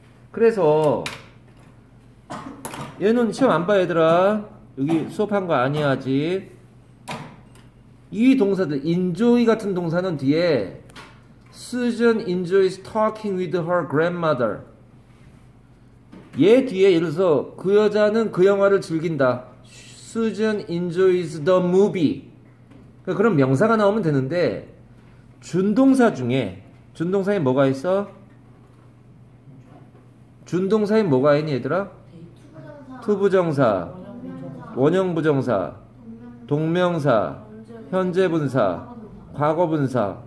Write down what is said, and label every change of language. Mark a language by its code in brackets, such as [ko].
[ko] 그래서 얘는 시험 안 봐 얘들아. 여기 수업한 거 아니야 아직. 이 동사들, [en] enjoy [ko] 같은 동사는 뒤에 [en] Susan enjoys talking with her grandmother. [ko] 얘 뒤에 예를 들어서 그 여자는 그 영화를 즐긴다. [en] Susan enjoys the movie. [ko] 그런 명사가 나오면 되는데 준동사 중에 준동사에 뭐가 있어? 준동사에 뭐가 있니 얘들아? 투부정사, 원형부정사, 동명사, 현재분사, 과거분사.